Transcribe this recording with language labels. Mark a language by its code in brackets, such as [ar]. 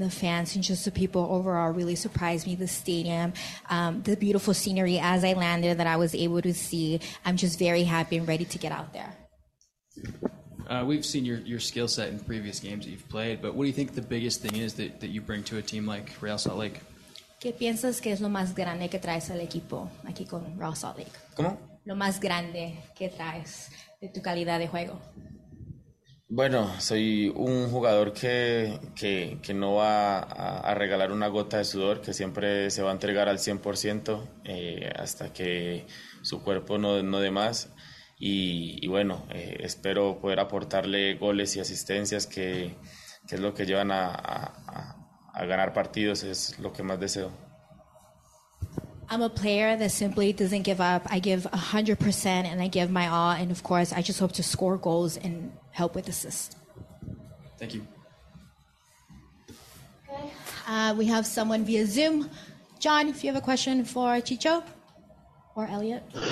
[en] The fans and just the people overall really surprised me. The stadium, the beautiful scenery as I landed that I was able to see. I'm just very happy and ready to get out there. We've seen your skill set in previous games that you've played, but what do you think the biggest thing is that you bring to a team like Real Salt Lake? [es] ¿Qué piensas que es lo más grande que traes al equipo aquí con Real Salt Lake? ¿Cómo? Lo más grande que traes de tu calidad de juego. Bueno, soy un jugador que no va a regalar una gota de sudor, que siempre se va a entregar al 100% hasta que su cuerpo no dé más. Y bueno, espero poder aportarle goles y asistencias que es lo que llevan a ganar partidos, es lo que más deseo. [en] I'm a player that simply doesn't give up. I give 100% and I give my all, and of course, I just hope to score goals and help with assists. Thank you. Okay. We have someone via Zoom. John, if you have a question for Chicho or Elliot.